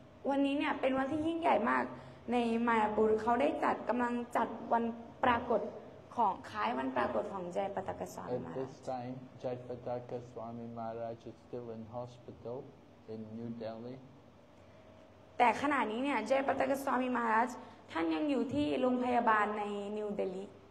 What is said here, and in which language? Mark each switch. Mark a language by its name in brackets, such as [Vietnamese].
[Thai] วันนี้เนี่ยเป็นวันที่ยิ่งใหญ่มากในมายาปุรเขาได้จัดกำลังจัดวันปรากฏของคล้ายวันปรากฏของJaipataka Swami Maharaj. [English] At this time, Jaipataka Swami Maharaj is still in hospital in New Delhi. [Thai] แต่ขณะนี้เนี่ยJaipataka Swami Maharaj ท่านยังอยู่ที่โรงพยาบาลในนิวเดลี